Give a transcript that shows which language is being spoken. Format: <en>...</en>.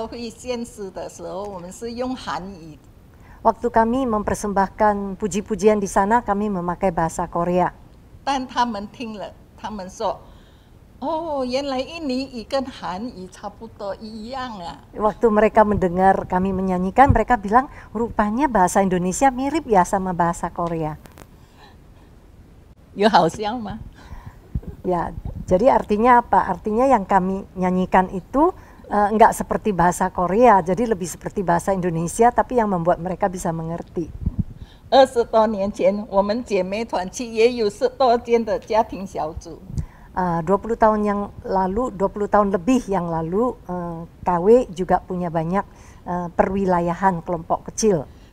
<zh>当我们在韩国教会献诗的时候，我们是用韩语.</zh> <id>Waktu kami mempersembahkan puji-pujian di sana, kami memakai bahasa Korea.</id> <zh>但他们听了，他们说。 Oh, 原来印尼语跟韩语差不多一样啊.</zh> <id>Waktu mereka mendengar kami menyanyikan, mereka bilang rupanya bahasa Indonesia mirip ya sama bahasa Korea.</id> <zh>有好像吗?</zh> <id>Ya, jadi artinya apa? Artinya yang kami nyanyikan itu enggak seperti bahasa Korea, jadi lebih seperti bahasa Indonesia, tapi yang membuat mereka bisa mengerti.</id> <zh>20多年前，我们姐妹团契也有10多间的家庭小组。</zh> <id>20 tahun lebih yang lalu KW juga punya banyak perwilayahan kelompok kecil.</id>